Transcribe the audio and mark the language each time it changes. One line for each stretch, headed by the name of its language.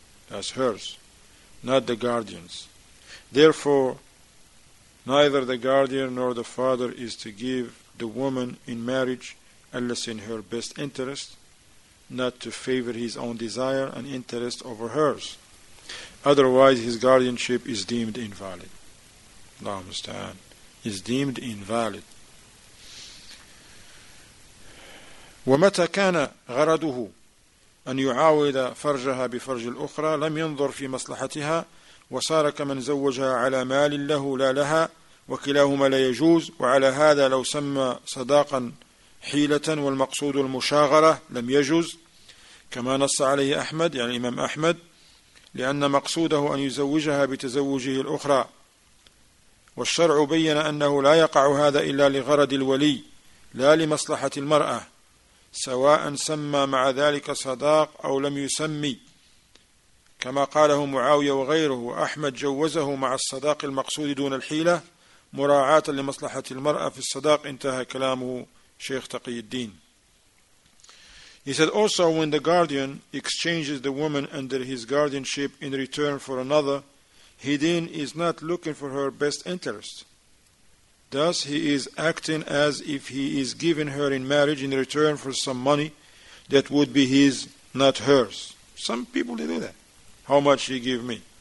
English: That's hers, not the guardian's. Therefore, neither the guardian nor the father is to give the woman in marriage unless in her best interest, not to favor his own desire and interest over hers. Otherwise, his guardianship is deemed invalid. Allah musta'an, is deemed invalid.
Arabic: وَمَتَى كَانَ غَرَدُهُ أَنْ يُعَاوِدَ فَرْجَهَا بِفَرْجِ الْأُخْرَى لَمْ يَنْظُرْ فِي مَصْلَحَتِهَا وَصَارَ كَمَنْ زَوَّجَهَا عَلَى مَالٍ لَهُ لَا لَهَا وَكِلَاهُمَا لَا يَجُوزُ وَعَلَى هَذَا لَوْ سَمَّى صَدَاقًا حِيلَةً وَالْمَقْصُودُ الْمُشَاغَرَةُ لَمْ يَجُوزْ كَمَا نَصَّ عَلَيْهِ أَحْمَدُ يعني الإمام أحمد لأن مقصوده أن يزوجها بتزوجه الأخرى والشرع بين أنه لا يقع هذا إلا لغرض الولي لا لمصلحة المرأة سواء سمى مع ذلك صداق أو لم يسمي كما قاله معاوية وغيره وأحمد جوزه مع الصداق المقصود دون الحيلة مراعاة لمصلحة المرأة في الصداق انتهى كلامه شيخ تقي الدين.
English: He said, also when the guardian exchanges the woman under his guardianship in return for another, he then is not looking for her best interest. Thus, he is acting as if he is giving her in marriage in return for some money that would be his, not hers. Some people, they do that. how much he give me.